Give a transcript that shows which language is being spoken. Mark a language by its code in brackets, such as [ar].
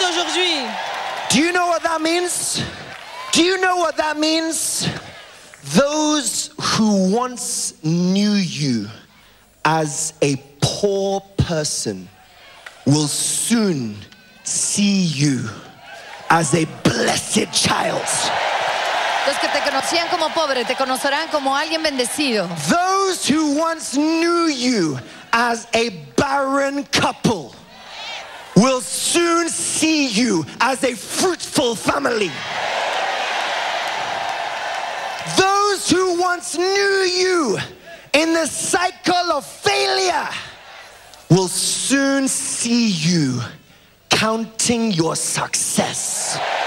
[en] Do you know what that means? Do you know what that means? Those who once knew you as a poor person will soon see you as a blessed child. [es] Los que te conocían como pobre te conocerán como alguien bendecido. [en] Those who once knew you as a barren couple will soon see you as a fruitful family. Those who once knew you in the cycle of failure will soon see you counting your success.